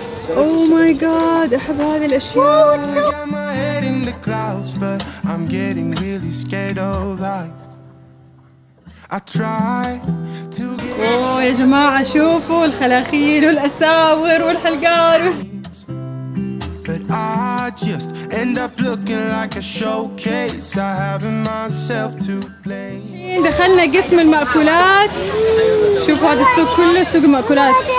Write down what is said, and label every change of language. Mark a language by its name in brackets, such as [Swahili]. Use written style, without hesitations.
[English] Oh my god، [Arabic] احب هذه الاشياء. [English] I'm head in the clouds but I'm getting really scared of life. I try to get. [Arabic] يا جماعه شوفوا الخلاخيل والاساور والحلقار. [English] But I just end up looking like a showcase I have in myself to blame. [Arabic] دخلنا قسم المأكولات، شوفوا هذا السوق كله سوق مأكولات.